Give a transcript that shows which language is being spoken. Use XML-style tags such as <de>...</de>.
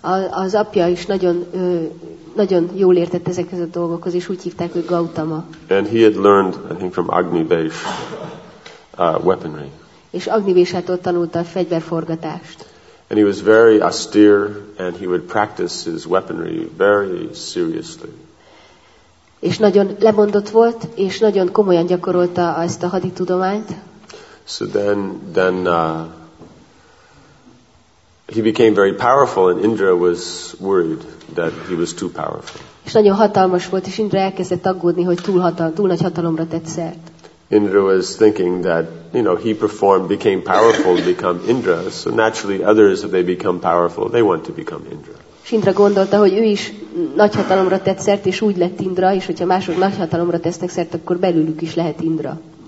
<hu>Az apja is nagyon nagyon jól értett ezekhez a dolgokhoz, és úgy hívták, hogy Gautama.</hu> <en>And he had learned, I think, from Agnivesh weaponry.</en> <hu>És Agnivéshától tanulta a fegyverforgatást.</hu> <en>And he was very austere, and he would practice his weaponry very seriously.</en> <hu>És nagyon lemondott volt, és nagyon komolyan gyakorolta ezt a haditudományt.</hu> <en>So then he became very powerful, and Indra was worried that he was too powerful.</en> <hu>És nagyon hatalmas volt, és Indra elkezdett aggódni, hogy túl nagy hatalomra tett szert.</hu> <en>Indra was thinking that, you know, he performed, became powerful, become Indra. So naturally, others, if they become powerful, they want to become Indra.</en> <hu>És Indra gondolta, hogy ő is nagy hatalomra tett szert, és úgy lett Indra, és hogyha mások nagy hatalomra tesznek szert, akkor belülük is lehet Indra.</hu>